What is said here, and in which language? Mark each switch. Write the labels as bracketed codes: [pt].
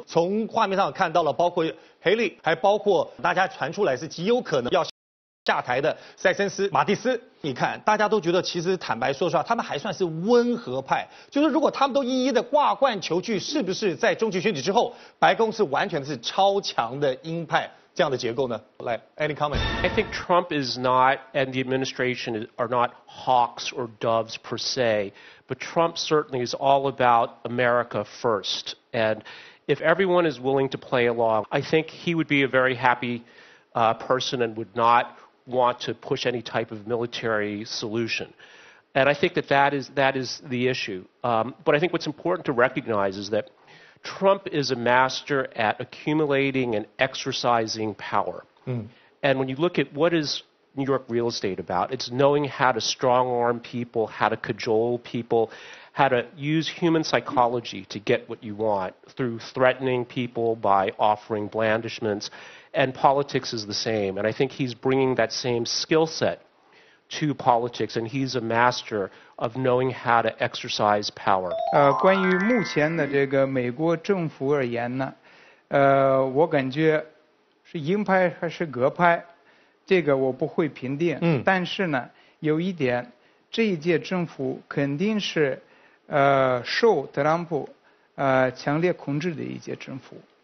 [zh] 从画面上看到了包括黑利，还包括大家传出来是极有可能要下台的塞森斯、马蒂斯。你看大家都觉得其实坦白说实话他们还算是温和派，就是如果他们都一一的挂冠求去，是不是在中期选举之后白宫是完全是超强的鹰派这样的结构呢？ [en] 来 any comment? I think Trump is not and the administration are not hawks or doves per se, but Trump certainly is all about America first, and if everyone is willing to play along, I think he would be a very happy person and would notwant to push any type of military solution. And I think that is the issue. But I think what's important to recognize is that Trump is a master at accumulating and exercising power. Mm. And when you look at what is New York real estate about, it's knowing how to strong arm people, how to cajole people, how to use human psychology to get what you want through threatening people by offering blandishments. And politics is the same. And I think he's bringing that same skill set to politics. And he's a master of knowing how to exercise power. [zh] 关于目前的这个美国政府而言呢，我感觉是鹰派还是鸽派，这个我不会评定。嗯。但是呢，有一点，这一届政府肯定是受特朗普强烈控制的一届政府。